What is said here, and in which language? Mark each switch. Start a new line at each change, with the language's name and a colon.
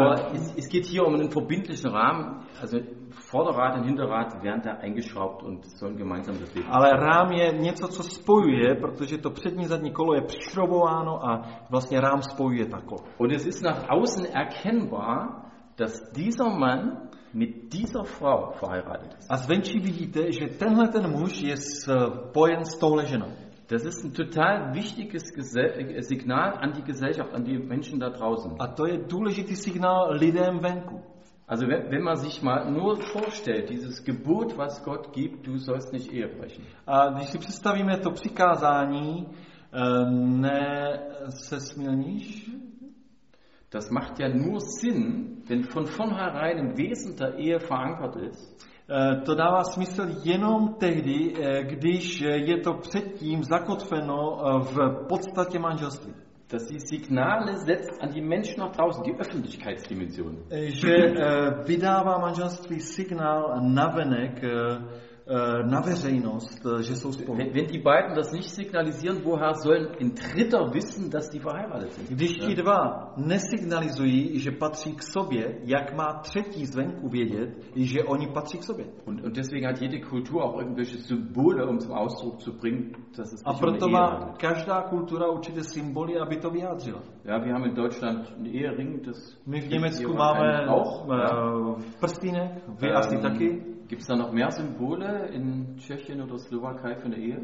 German: Aber es geht hier um einen verbindlichen Rahmen, also Vorderrad und Hinterrad werden da eingeschraubt und sollen gemeinsam bewegen.
Czech: Ale rám je něco, co spojuje, protože to přední zadní kolo je přišroubováno a vlastně rám spojuje ta kolo.
German: Und es ist nach außen erkennbar, dass dieser Mann mit dieser Frau verheiratet ist.
Czech: A zvenčí vidíte, že tenhle ten muž je spojen s touhle ženou.
German: Das ist ein total wichtiges Signal an die Gesellschaft, an die Menschen da draußen.
Czech: A to je důležitý signál lidem venku.
German: Also wenn man sich mal nur vorstellt, dieses Gebot, was Gott gibt, du sollst nicht Ehe brechen.
Czech: A když si představíme to přikázání, ne se smilníš.
German: Das macht ja nur Sinn, wenn von vornherein im Wesen der Ehe verankert ist.
Czech: To dává smysl jenom tehdy, když je to předtím zakotveno v podstatě manželství.
German: Dass die Signale setzt an die Menschen nach draußen, die Öffentlichkeitsdimension.
Czech: Že vydává manželství signál navenek, na veřejnost, že jsou spolu.
German: Wenn die beiden das nicht signalisieren, woher sollen ein Dritter wissen, dass die verheiratet sind?
Czech: Když ti dva nesignalizují, že patří k sobě, jak má třetí zvenku vědět, že oni patří k sobě?
German: Und deswegen hat jede Kultur auch irgendwelche Symbole, um zum Ausdruck zu bringen, dass es.
Czech: A proto má každá kultura určité symboly, aby to vyjádřila.
German: Ja, wir haben in Deutschland einen Ehering, das.
Czech: My v Německu máme auch prstínek, vy asi taky.
German: Gibt es da noch mehr Symbole in Tschechien oder Slowakei für eine Ehe?